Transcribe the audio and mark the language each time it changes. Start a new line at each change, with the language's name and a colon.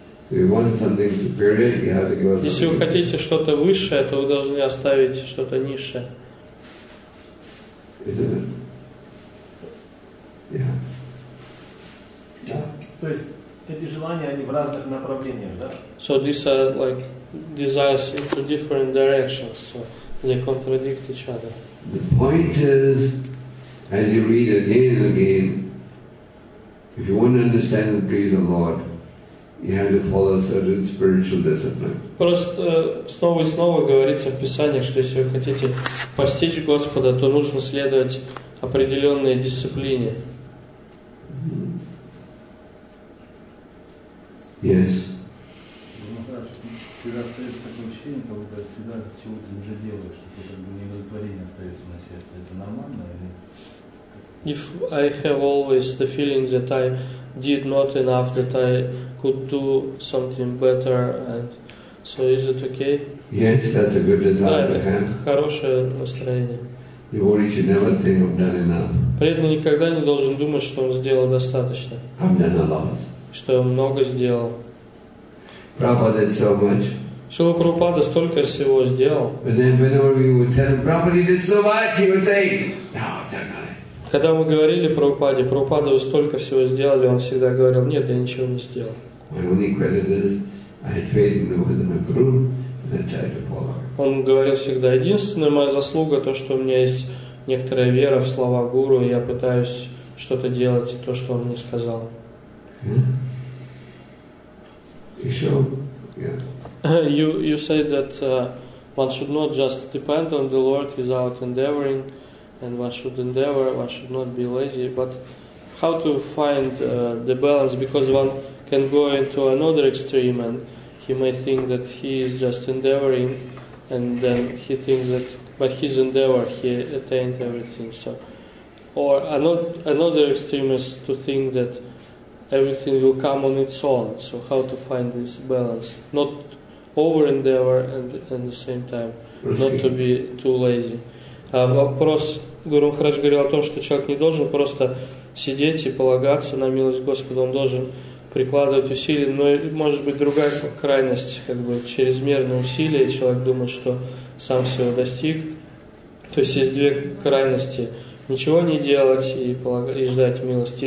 English: If you want something superior, you have to give something.
Russian: Если вы хотите что-то высшее, то вы должны оставить что-то низшее.
English: Isn't it? Yeah. Yeah.
Russian: То есть эти желания, они в разных направлениях, да?
English: So these are like desires into different directions, so they contradict each other. The point is, as you read again and again, if you want to understand and please the Lord, you have to follow a certain spiritual discipline.
Russian: Просто снова и снова говорится в Писаниях, что если вы хотите постичь Господа, то нужно следовать определенной дисциплине.
English: Yes.
Russian: Когда остается такое ощущение, как будто всегда чего-то уже делаешь, что как бы неудовлетворение остается на сердце, это нормально или?
English: If I have always the feeling that I did not enough, that I could do something better, and so is it okay? Yes, that's a good desire.
Russian: Да, это хорошее настроение.
English: Devotee should never think I've done enough.
Russian: Преданный никогда не должен думать, что он сделал достаточно.
English: I've done a lot.
Russian: Что он много сделал.
English: Prabhupada did so much.
Russian: Шрила Прабхупада столько всего сделал.
English: But then whenever we would tell him, Prabhupada did so much, he would say, no, don't mind.
Russian: Когда мы говорили Прабхупаде, Прабхупада вы столько всего сделали, он всегда говорил, нет, я ничего не сделал.
English: My only credit is, I had faith in the wisdom of Guru, and I tried to follow.
Russian: Он говорил всегда, единственная моя заслуга, то, что у меня есть некоторая вера в слова Гуру, и я пытаюсь что-то делать, то, что он мне сказал.
English: You say that one should not just depend on the Lord without endeavoring, and one should endeavor, one should not be lazy, but how to find the balance, because one can go into another extreme and he may think that he is just endeavoring and then he thinks that by his endeavor he attained everything. So, or another extreme is to think that everything will come on its own. So how to find this balance? Not over-endeavor and at the same time not to be too lazy.
Russian: Вопрос Гуру Махарадж говорил о том, что человек не должен просто сидеть и полагаться на милость Господа. Он должен прикладывать усилия. Но может быть другая крайность, как бы чрезмерные усилия, и человек думает, что сам всего достиг. То есть есть две крайности. Ничего не делать и ждать милости.